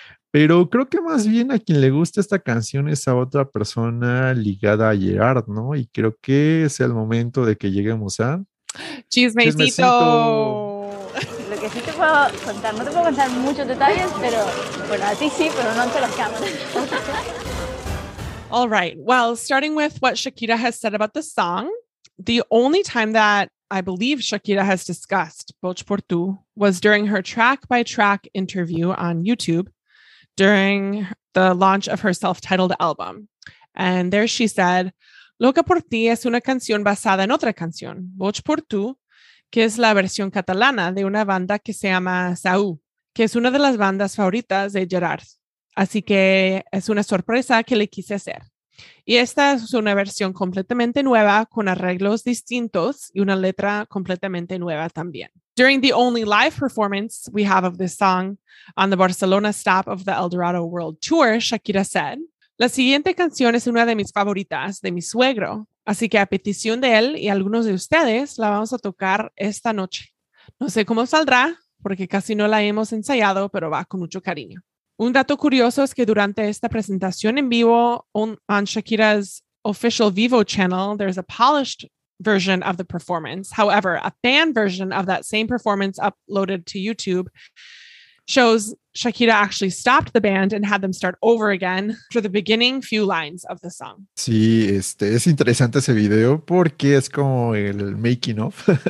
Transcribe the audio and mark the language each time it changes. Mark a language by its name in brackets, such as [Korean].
[Spanish] Pero creo que más bien a quien le gusta esta canción es a otra persona ligada a Gerard, ¿no? Y creo que es el momento de que lleguemos a... ¡Chismecito! ¡Chismecito! Lo que sí te puedo contar, no te puedo contar muchos detalles, pero bueno, a ti sí, pero no ante las cámaras. [English] All right. Well, starting with what Shakira has said about the song, the only time that I believe Shakira has discussed Boch Por Tu was during her track by track interview on YouTube during the launch of her self-titled album. And there she said, [Spanish] Loca Por Ti es una canción basada en otra canción, Boch Por Tu, que es la versión catalana de una banda que se llama Saú, que es una de las bandas favoritas de Gerard. Así que es una sorpresa que le quise hacer. Y esta es una versión completamente nueva con arreglos distintos y una letra completamente nueva también. [English] During the only live performance we have of this song on the Barcelona stop of the El Dorado World Tour, Shakira said, [Spanish] La siguiente canción es una de mis favoritas, de mi suegro. Así que a petición de él y algunos de ustedes, la vamos a tocar esta noche. No sé cómo saldrá, porque casi no la hemos ensayado, pero va con mucho cariño. Un dato curioso es que durante esta presentación en vivo [English] on Shakira's official Vivo channel, there's a polished version of the performance. However, a fan version of that same performance uploaded to YouTube shows Shakira actually stopped the band and had them start over again for the beginning few lines of the song. [Spanish] Sí, es interesante ese video porque es como el making of.